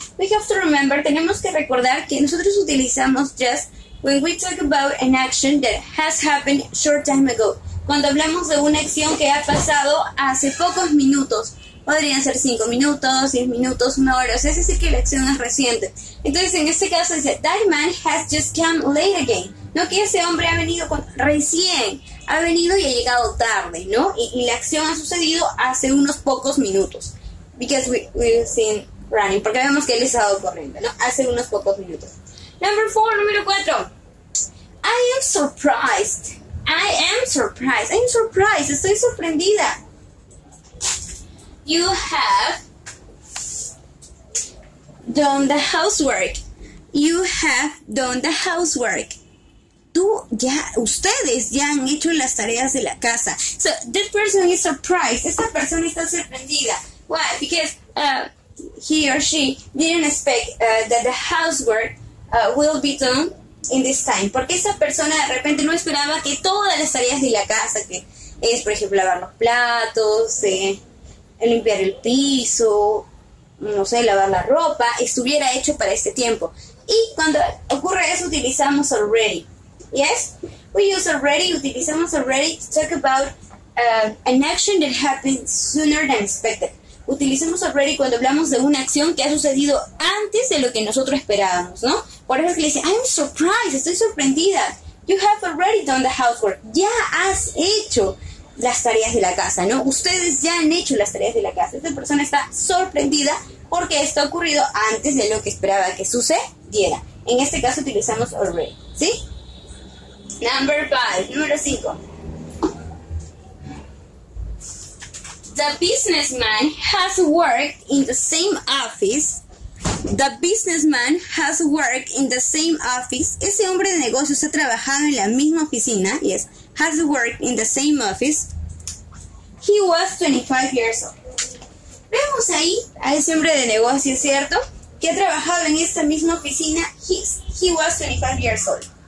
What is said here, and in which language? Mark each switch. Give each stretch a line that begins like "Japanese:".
English: We have to remember,
Spanish: tenemos que recordar que nosotros utilizamos just
English: when we talk about an action that has happened short time ago.
Spanish: Cuando hablamos de una acción que ha pasado hace pocos minutos. Podrían ser 5 minutos, 10 minutos, 1 hora. O sea, es decir que la acción es reciente. Entonces, en este caso dice,
English: that man has just come late again.
Spanish: No, que ese hombre ha venido recién. Ha venido y ha llegado tarde, ¿no? Y la acción ha sucedido hace unos pocos minutos.
English: Because we've seen running.
Spanish: Porque vemos que él ha estado corriendo, ¿no? Hace unos pocos minutos. Número 4.
English: I am surprised.
Spanish: Estoy sorprendida.
English: You have done the housework. You have done the housework.
Spanish: Ustedes ya han hecho las tareas de la casa.
English: So, this person is surprised.
Spanish: Esta persona está sorprendida.
English: Why? Because he or she didn't expect that the housework will be done in this time.
Spanish: Porque esa persona de repente no esperaba que todas las tareas de la casa, que es, por ejemplo, lavar los platos, limpiar el piso, no sé, lavar la ropa, estuviera hecho para este tiempo. Y cuando ocurre eso, utilizamos already. Yes?
English: We use already, utilizamos already to talk about an action that happened sooner than expected.
Spanish: Utilizamos already cuando hablamos de una acción que ha sucedido antes de lo que nosotros esperábamos, ¿no? Por eso es que le dice,
English: I'm surprised,
Spanish: estoy sorprendida.
English: You have already done the housework.
Spanish: Ya has hecho las tareas de la casa, ¿no? Ustedes ya han hecho las tareas de la casa. Esta persona está sorprendida porque esto ha ocurrido antes de lo que esperaba que sucediera. En este caso utilizamos already, ¿sí?
English: Number 5. The businessman has worked in the same office The businessman has worked in the same office.
Spanish: Ese hombre de negocios ha trabajado en la misma oficina.
English: Yes, has worked in the same office. He was 25 years old.
Spanish: Vemos ahí a ese hombre de negocios, ¿cierto? Que ha trabajado en esta misma oficina.
English: He was 25 years old.